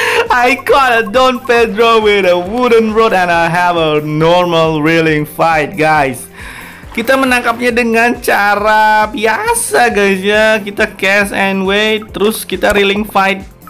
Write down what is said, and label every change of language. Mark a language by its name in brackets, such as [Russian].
[English] I caught a Don Pedro with a wooden rod and I have a normal reeling fight guys. [Indonesian] Kita menangkapnya dengan cara biasa guys ya. Kita [English] cast and wait, [Indonesian] terus kita reeling fight.